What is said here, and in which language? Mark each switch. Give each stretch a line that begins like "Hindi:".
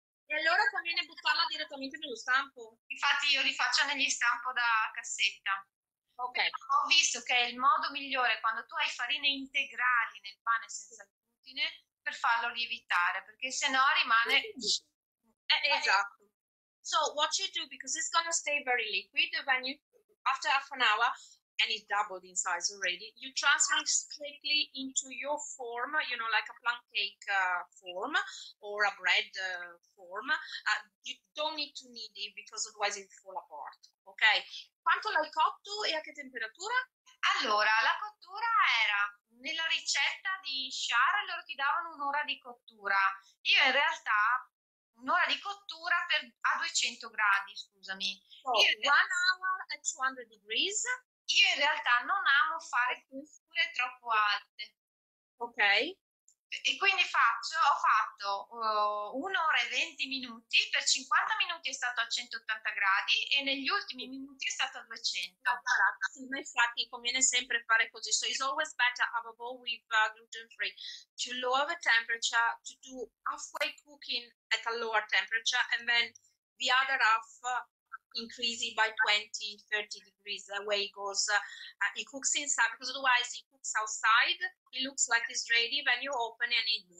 Italian: E allora conviene buttarla direttamente nello stampo? Infatti io li faccio negli stampo da cassetta. Ok. Però ho visto che è il modo migliore, quando tu hai farine integrali nel pane senza glutine, per farlo lievitare, perché se no rimane... Esatto.
English: So what you do, because it's gonna stay very liquid, when you, after half an hour, and it's doubled in size already, you transfer it strictly into your form, you know, like a plum cake form or a bread form. You don't need to knead it because otherwise it'll fall apart, okay?
Italian: Quanto l'hai cotto e a che temperatura? Allora, la cottura era, nella ricetta di Char, loro ti davano un'ora di cottura. Io in realtà, un'ora di cottura a 200 gradi, scusami.
English: So, one hour at 200 degrees.
Italian: Io in realtà non amo fare cotture troppo alte. Ok. E quindi ho fatto un'ora e 20 minuti, per 50 minuti è stato a 180 gradi e negli ultimi minuti è stato a 200. Ma infatti conviene sempre fare così.
English: So it's always better, above all with gluten free, to lower the temperature, to do halfway cooking at a lower temperature and then the other half increase it by 20-30 degrees, the way it goes, it cooks inside, because otherwise it cooks outside, it looks like it's ready, then you open and it...